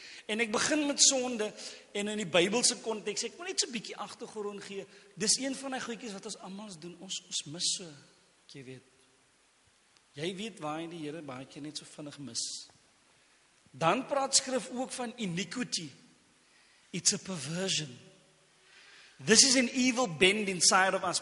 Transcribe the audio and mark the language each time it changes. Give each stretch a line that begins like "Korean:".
Afrikaans: En ek begin met sonde, en in die Bybelse konteks, ek moet net so 'n bietjie agtergrond gee, dis een van die goedjies wat ons almal doen, ons mis so, jy weet. Jy weet waar jy die Here baie keer net so vinnig mis. Dan praat skrif ook van iniquity.
English: It's a perversion. This is an evil bend inside of us.